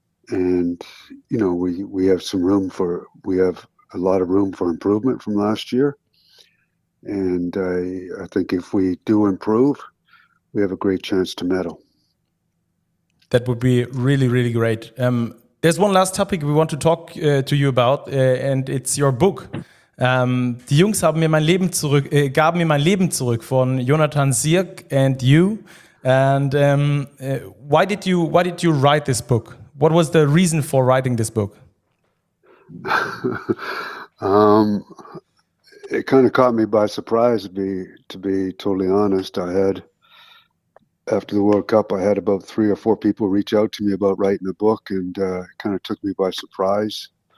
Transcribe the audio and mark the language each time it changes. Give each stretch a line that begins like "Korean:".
English: And, we have some room for, we have a lot of room for improvement from last year. And I think if we do improve, we have a great chance to medal. That would be really, really great. There's one last topic we want to talk to you about, and it's your book.
German: Die Jungs haben mir mein Leben zurück, gaben mir mein Leben zurück von Jonathan Sirk
English: and you. And why did you write this book? What was the reason for writing this book? It kind of caught me by surprise, to be totally honest. After the World Cup, I had about three or four people reach out to me about writing a book, and it kind of took me by surprise.